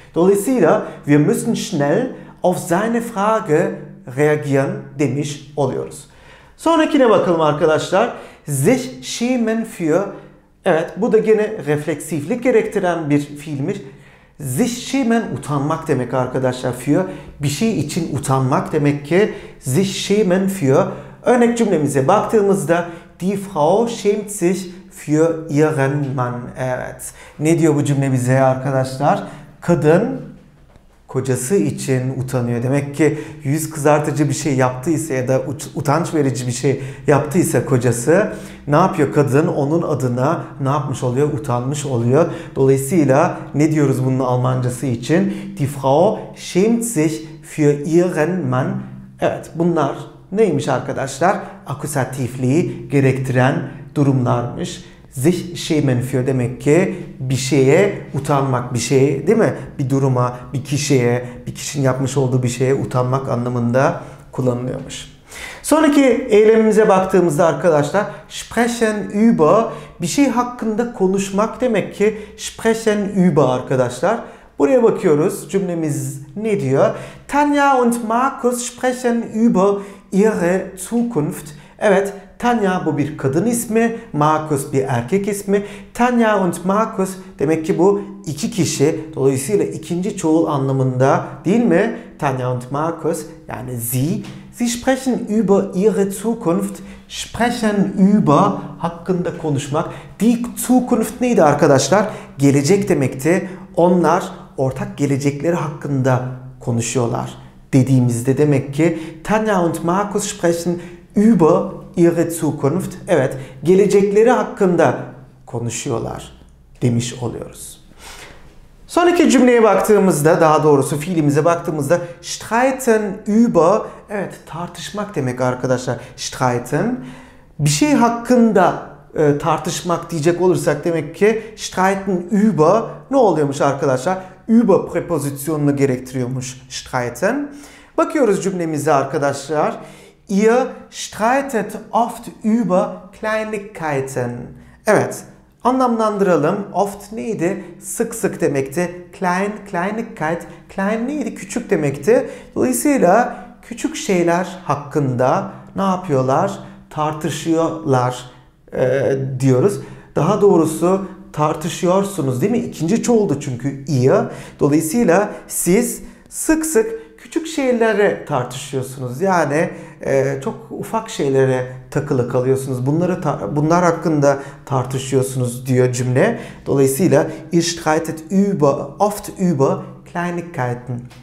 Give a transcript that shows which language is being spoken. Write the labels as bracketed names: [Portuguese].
[Turkish] Dolayısıyla [German] wir müssen schnell auf seine Frage reagieren [Turkish] demiş oluyoruz. Sonrakine bakalım arkadaşlar. Sich schämen für, evet bu da gene refleksiflik gerektiren bir fiilmiş. Sich schämen utanmak demek arkadaşlar. Für bir şey için utanmak demek ki. [German] Sich schämen für. [Turkish] Örnek cümlemize baktığımızda [German] die Frau schämt sich für ihren Mann. [Turkish] Evet. Ne diyor bu cümle bize arkadaşlar? Kadın kocası için utanıyor. Demek ki yüz kızartıcı bir şey yaptıysa ya da utanç verici bir şey yaptıysa kocası, ne yapıyor kadın? Onun adına ne yapmış oluyor? Utanmış oluyor. Dolayısıyla ne diyoruz bunun Almancası için? [German] Die Frau schämt sich für ihren Mann. [Turkish] Evet, bunlar neymiş arkadaşlar? Akusatifliği gerektiren durumlarmış. Sich schämen für demek ki bir şeye utanmak, bir şeye, değil mi? Bir duruma, bir kişiye, bir kişinin yapmış olduğu bir şeye utanmak anlamında kullanılıyormuş. Sonraki eylemimize baktığımızda arkadaşlar, sprechen über, bir şey hakkında konuşmak demek ki sprechen über arkadaşlar. Buraya bakıyoruz, cümlemiz ne diyor? [German] Tanya und Markus sprechen über ihre Zukunft. [Turkish] Evet, Tanya bu bir kadın ismi, Markus bir erkek ismi. Tanya und Markus demek ki bu iki kişi, dolayısıyla ikinci çoğul anlamında, değil mi? [German] Tanya und Markus, [Turkish] yani [German] sie. Sie sprechen über ihre Zukunft. [Turkish] Sprechen über hakkında konuşmak. Die Zukunft neydi arkadaşlar? Gelecek demekti. Onlar ortak gelecekleri hakkında konuşuyorlar dediğimizde demek ki [German] Tanya und Markus sprechen über ihre Zukunft. [Turkish] Evet, gelecekleri hakkında konuşuyorlar demiş oluyoruz. Sonraki cümleye baktığımızda, daha doğrusu fiilimize baktığımızda streiten über, evet tartışmak demek arkadaşlar, streiten. Bir şey hakkında tartışmak diyecek olursak demek ki streiten über ne oluyormuş arkadaşlar? Über prepozisyonunu gerektiriyormuş streiten. Bakıyoruz cümlemize arkadaşlar. [German] Ihr streitet oft über Kleinigkeiten. [Turkish] Evet, anlamlandıralım. Oft neydi? Sık sık demekti. Klein, Kleinigkeit. Klein neydi? Küçük demekti. Dolayısıyla küçük şeyler hakkında ne yapıyorlar? Tartışıyorlar diyoruz. Daha doğrusu tartışıyorsunuz değil mi? İkinci çoğuldu çünkü ihr. Dolayısıyla siz sık sık küçük şeylere tartışıyorsunuz. Yani çok ufak şeylere takılı kalıyorsunuz. Bunlar hakkında tartışıyorsunuz diyor cümle. Dolayısıyla [German] ihr streitet oft über Kleinigkeiten.